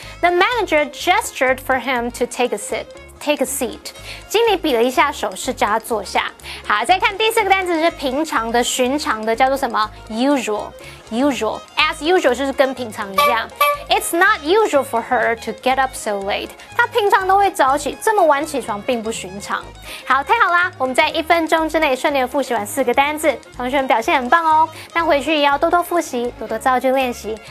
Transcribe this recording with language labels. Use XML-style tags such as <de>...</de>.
<en>The manager gestured for him to take a seat。 Take a seat.</en> <zh>经理比了一下手势，叫他坐下。好，再看第四个单词是平常的、寻常的，叫做什么 ？Usual, usual. As usual 就是跟平常一样。</zh> <en>It's not usual for her to get up so late.</en> <zh>她平常都会早起，这么晚起床并不寻常。好，太好啦！我们在一分钟之内顺利复习完四个单词，同学们表现很棒哦。那回去也要多多复习，多多造句练习。</zh>